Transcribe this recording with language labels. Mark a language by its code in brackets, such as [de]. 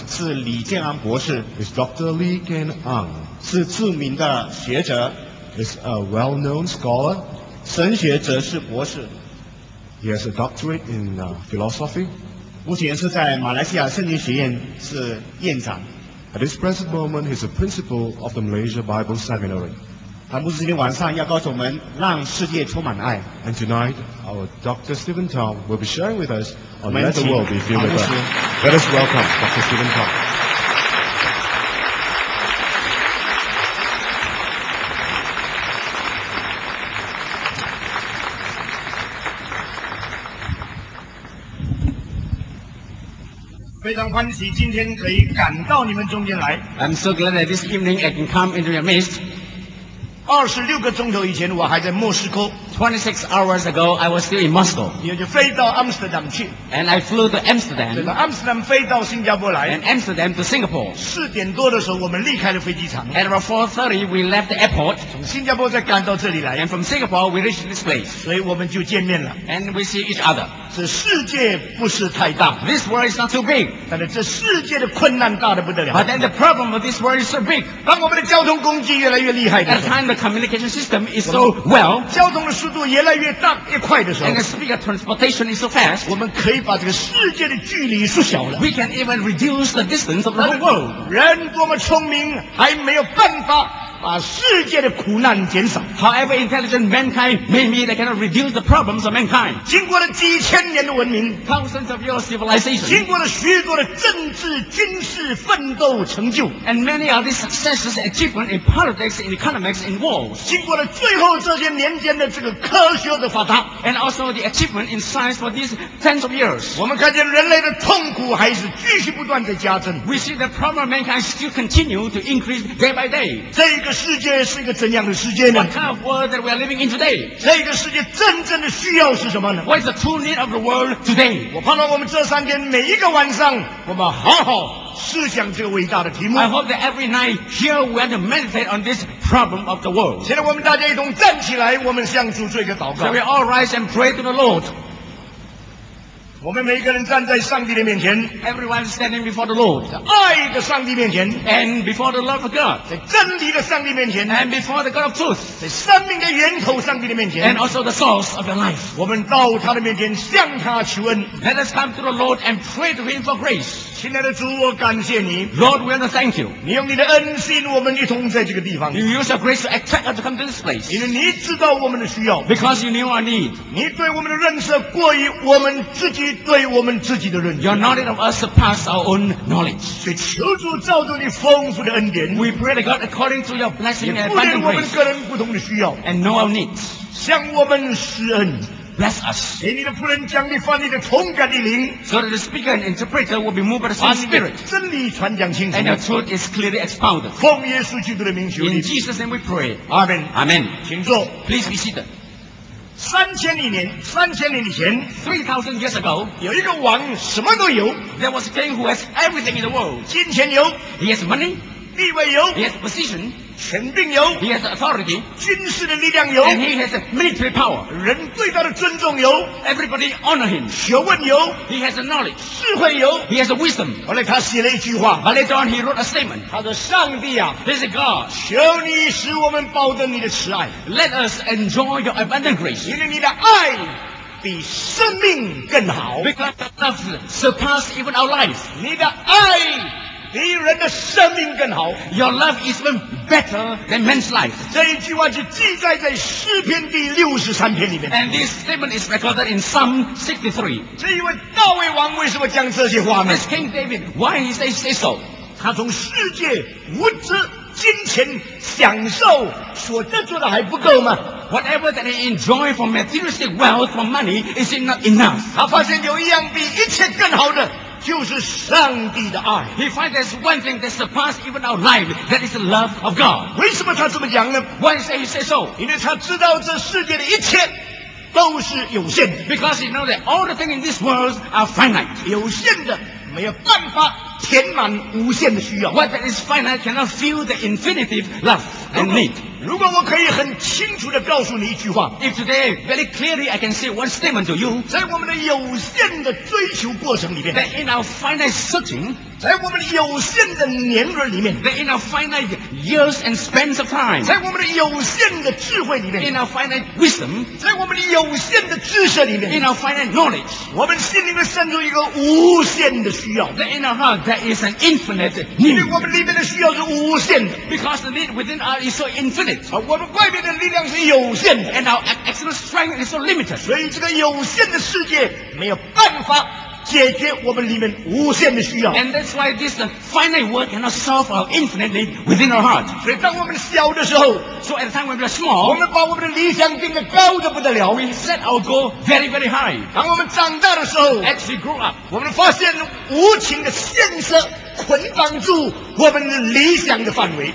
[zh] 是李建安博士 [en] ，is Dr. Li Jianan， [zh] 是著名的学者 [en] ，is a well-known scholar， [zh] 神学哲士博士 [en] ，he has a doctorate in philosophy。 [zh] 目前是在马来西亚圣经学院是院长。 [en] At this present moment, he's a principal of the Malaysia Bible Seminary. [zh] 谭牧师今天晚上要告诉我们，让世界充满爱。 [en] And tonight, our Dr. Stephen Tong will be sharing with us on Let the World Be Filled with Love. Let us welcome Dr. Stephen Tong. [zh] 非常欢喜今天可以赶到你们中间来。 [en] I'm so glad that this evening I can come into your midst. [zh] 26个钟头以前我还在莫斯科。 [en] 26 hours ago, I was still in Moscow. [zh] 你就飞到 Amsterdam 去。 [en] And I flew to Amsterdam. [zh] 对吧 ？Amsterdam 飞到新加坡来。 [en] And Amsterdam to Singapore. [zh] 四点多的时候我们离开了飞机场。 [en] At about 4:30, we left the airport. [zh] 从新加坡再赶到这里来。 [en] And from Singapore, we reached this place. [zh] 所以我们就见面了。 [en] And we see each other. [zh] 这世界不是太大 [en] This world is not too big [zh] 但是这世界的困难大得不得了 [en] But then the problem of this world is so big [zh] 当我们的交通工具越来越厉害的时候 [en] At the time the communication system is so well [zh] 交通的速度越来越大越快的时候 [en] And the speed of transportation is so fast [zh] 我们可以把这个世界的距离缩小了 [en] We can even reduce the distance of the whole world [zh] 人多么聪明还没有办法把世界的苦难减少 [en] However intelligent mankind maybe they cannot reduce the problems of mankind [zh] 经过了几千年的文明 [en] Thousands of years of civilization [zh] 经过了许多的政治军事奋斗成就 [en] And many of these successes achievement in politics, in economics, in wars [zh] 经过了最后这些年间的这个科学的发达 [en] And also the achievement in science for these tens of years [zh] 我们看见人类的痛苦还是继续不断的加增 [en] We see the problem of mankind still continue to increase day by day [zh] 这个世界是一个怎样的世界呢 [en] What kind of world that we are living in today? [zh] 这个世界真正的需要是什么呢 [en] What is the true need of the world today? [zh] 我盼望我们这三天每一个晚上我们好好思想这个伟大的题目 [en] I hope that every night here we are to meditate on this problem of the world [zh] 现在我们大家一同站起来我们向主做一个祷告 [en] So we all rise and pray to the Lord [zh] 我们每一个人站在上帝的面前 [en] Everyone standing before the Lord [zh] 爱的上帝面前 [en] And before the love of God [zh] 在真理的上帝面前 [en] And before the God of truth [zh] 在生命的源头上帝的面前 [en] And also the source of the life [zh] 我们到他的面前向他求恩 [en] Let us come to the Lord and pray to him for grace [zh] 亲爱的主我感谢你 [en] Lord we want to thank you [zh] 你用你的恩心我们一同在这个地方 [en] You use your grace to attract us to come to this place [zh] 因为你知道我们的需要 [en] Because you knew our need [zh] 你对我们的认识过于我们自己对我们自己的认识 [en] Your knowledge of us surpass our own knowledge [zh] 所以求主造就你丰富的恩典 [en] We pray to God according to your blessing and abundant grace [zh] 也顾念我们个人不同的需要 [en] And know our needs [zh] 向我们施恩 [en] Bless us [zh] 给你的仆人将你翻译的同感的灵 [en] So that the speaker and interpreter will be moved by the same spirit [zh] 真理传讲清楚 [en] And your truth is clearly expounded [zh] 奉耶稣基督的名求 [en] In Jesus' name we pray Amen Amen [zh] 请坐 [en] Please be seated [zh] 3000年以前 [en] 3000 years ago [zh] 有一个王什么都有 [en] There was a king who has everything in the world [zh] 金钱有 [en] He has money [zh] 地位有 [en] He has position [zh] 权柄有 [en] He has authority [zh] 军事的力量有 [en] And he has military power [zh] 人对他的尊重有 [en] Everybody honor him [zh] 学问有 [en] He has knowledge [zh] 智慧有 [en] He has wisdom [zh] 后来他写了一句话 [en] But later on he wrote a statement [zh] 他说上帝啊 [en] This is God [zh] 求你使我们保证你的慈爱 [en] Let us enjoy your abundant grace [zh] 因为你的爱比生命更好 [en] Because the love surpass even our life [zh] 你的爱比人的生命更好。 [en] Your love is even better than man's life. [zh] 这一句话就记载在诗篇第六十三篇里面。 [en] And this statement is recorded in Psalm 63. [zh] 这一位大卫王为什么讲这些话呢？ [en] This King David, why he says this so? [zh] 他从世界物质、金钱、享受所得到的还不够吗？ [en] Whatever that he enjoy from materialistic wealth, from money, is it not enough? [zh] 他发现有一样比一切更好的，就是上帝的爱。 [en] He finds there's one thing that surpasses even our life, that is the love of God. [zh] 为什么他这么讲呢？ [en] Why does he say so? [zh] 因为他知道这世界的一切都是有限的。 [en] Because he knows that all the things in this world are finite. [zh] 有限的没有办法填满无限的需要。 [en] What that is finite cannot fill the infinity love and need. [zh] 如果我可以很清楚地告诉你一句话， [en] If today very clearly I can say one statement to you， [zh] 在我们的有限的追求过程里面， [en] That in our finite searching， [zh] 在我们的有限的年轮里面， [en] That in our finite years and spans of time， [zh] 在我们的有限的智慧里面， [en] In our finite wisdom， [zh] 在我们的有限的知识里面， [en] In our finite knowledge， [zh] 我们心里面生出一个无限的需要， [en] That in our heart there is an infinite need， [zh] 因为我们里面的需要是无限的， [en] Because the need within us is so infinite。 [zh] 而我们外面的力量是有限的， [en] and our external strength is so limited， [zh] 所以这个有限的世界没有办法解决我们里面无限的需要。 [en] And that's why this finite world cannot solve our infinite need within our heart. [zh] 所以当我们小的时候， [en] So at the time when we are small， [zh] 我们把我们的理想定得高得不得了， [en] We set our goal very very high. [zh] 当我们长大的时候， [en] As we grow up， [zh] 我们发现无情的现实捆绑住我们的理想的范围。